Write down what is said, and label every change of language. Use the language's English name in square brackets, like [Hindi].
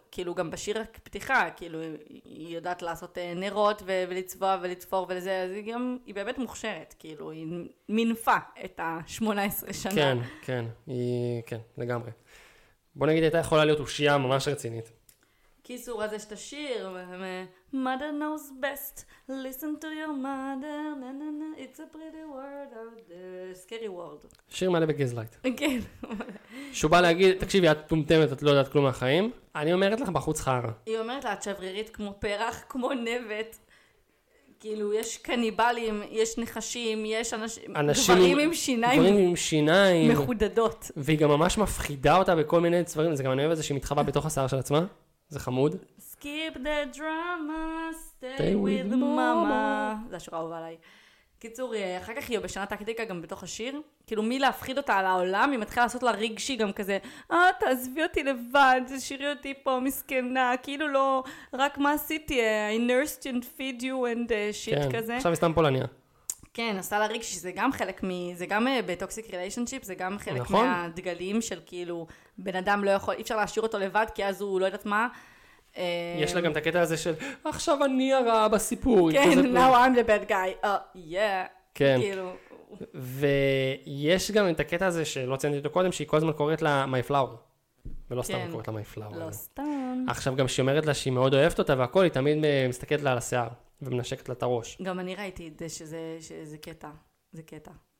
[Hebrew] כאילו, גם בשיר הפתיחה, כאילו, היא יודעת לעשות נרות, ולצבוע ולצפור ולזה, אז היא גם, היא באמת מוכשרת, כאילו, היא מנפה את ה-18 שנה. כן, כן, היא, כן, לגמרי. בוא נגיד, הייתה יכולה להיות אושייה ממש רצינית. כיסור, אז יש את השיר, [English] Mother knows best, listen to your mother, na, na, na, it's a pretty world out there, scary world. [Hebrew] שיר מלא בגזלייט. כן. שהוא בא להגיד, תקשיבי, את טומטמת, את לא יודעת כלום מהחיים, אני אומרת לך בחוץ חרה. היא אומרת לה, את שברירית כמו פרח, כמו נבט, כאילו, יש קניבלים, יש נחשים, יש אנשים, גברים עם שיניים. גברים עם שיניים. מחודדות. והיא גם ממש מפחידה אותה בכל מיני צברים, זה גם אני אוהב את זה שהיא מתחבא בתוך השיער של עצמה. זה חמוד. [English] Skip the drama, stay with mama. [Hebrew] זה השורה אהובה עליי. קיצור, אחר כך היא בשנה טקטיקה גם בתוך השיר. כאילו מי להפחיד אותה על העולם, היא מתחילה לעשות לה רגשי גם כזה, תעזבי אותי לבד, תשאירי אותי פה מסכנה, כאילו לא, רק מה עשיתי, [English] I nursed and feed you and shit [Hebrew] כזה. כן, עכשיו היא סתם פולניה. כן, עשה לה רגשי, זה גם חלק מ... זה גם בטוקסיק ריליישנשיפ, זה גם חלק מהדגלים של כאילו, בן אדם לא יכול, אי אפשר להשאיר אותו לבד, כי אז הוא לא יודעת מה. יש לה גם את הקטע הזה של, עכשיו אני הרע בסיפור. [English] כן, now I'm the bad guy. Oh, yeah. [Hebrew] כן. כאילו, ויש גם את הקטע הזה שלא ציינתי אותו קודם, שהיא כל הזמן קוראת לה My Flower. ולא סתם קוראת לה My Flower. לא סתם. עכשיו גם שהיא אומרת לה שהיא מאוד אוהבת אותה והכל, היא תמיד מסתכלת לה על השיער ומנשקת לה את הראש. גם אני ראיתי שזה קטע. זה קטע.